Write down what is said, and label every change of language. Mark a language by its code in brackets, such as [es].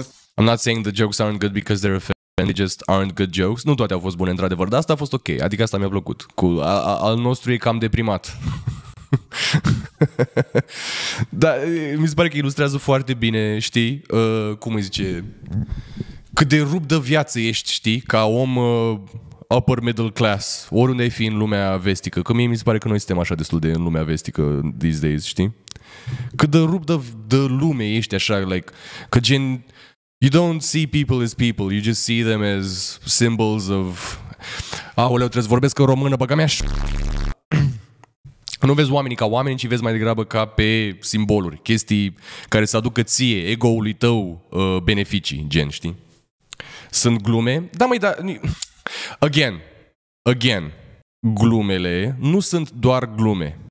[en] I'm not saying the jokes aren't good because they're offensive. They just aren't good jokes. [ro] Nu toate au fost bune, într-adevăr, dar asta a fost ok. Adică asta mi-a plăcut. Cool. Al nostru e cam deprimat. Dar mi se pare că ilustrează foarte bine, știi? Cum îi zice? Cât de rupt de viață ești, știi? Ca om... [en] upper middle class, [ro] oriunde ai fi în lumea vestică. Că mie mi se pare că noi suntem așa destul de în lumea vestică [en] these days, [ro] știi? Cât de rupt de lume ești așa, like, că gen, [en] you don't see people as people, you just see them as symbols of... [ro] Aoleu, trebuie să vorbesc în română, băga mea și... Nu vezi oamenii ca oameni, ci vezi mai degrabă ca pe simboluri, chestii care să aducă ție, ego-ului tău, beneficii, gen, știi? Sunt glume. Da, măi, da... Again, glumele nu sunt doar glume.